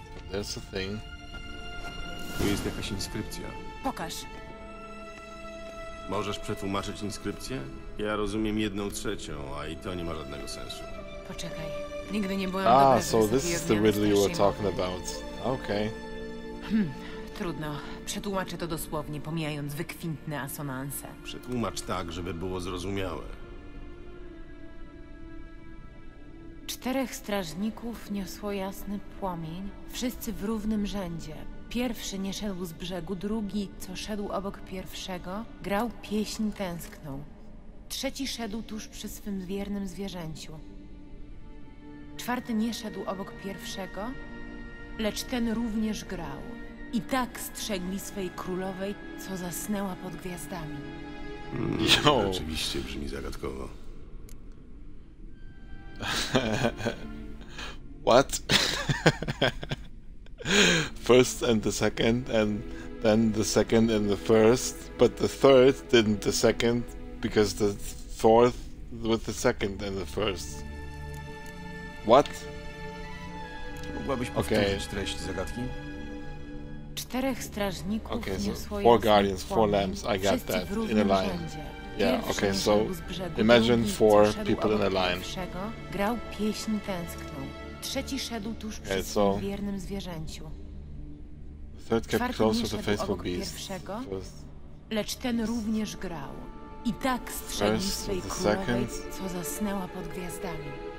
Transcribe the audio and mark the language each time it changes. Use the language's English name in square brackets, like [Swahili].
[English] There's a thing. [Polish] Tu jest jakaś inskrypcja. Pokaż. Możesz przetłumaczyć inskrypcję? Ja rozumiem 1/3, a i to nie ma żadnego sensu. Poczekaj. Nigdy nie byłem dobra. [English] So this is the riddle you were talking about. Okay. [Polish] Trudno. Przetłumaczę to dosłownie, pomijając wykwintne asonanse. Przetłumacz tak, żeby było zrozumiałe. Czterech strażników niosło jasny płomień. Wszyscy w równym rzędzie. Pierwszy nie szedł z brzegu, drugi, co szedł obok pierwszego, grał pieśń tęskną. Trzeci szedł tuż przy swym wiernym zwierzęciu. Czwarty nie szedł obok pierwszego, lecz ten również grał. I tak strzegli swej królowej, co zasnęła pod gwiazdami. Oczywiście brzmi zagadkowo. [English] What? First and the second, and then the second and the first, but the third didn't the second, because the fourth with the second and the first. What? [Polish] Mogłabyś powtórzyć treść zagadki? Czterech strażników [English] okay, so four guardians, four lambs, I got that, in a line. Yeah, okay, so imagine four people in a line. [Polish] Grał pieśń tęskną. Trzeci szedł tuż przy swoim wiernym zwierzęciu. Czwarty nie szedł obok pierwszego, lecz ten również grał. I tak strzegł swej królowej, co zasnęła pod gwiazdami.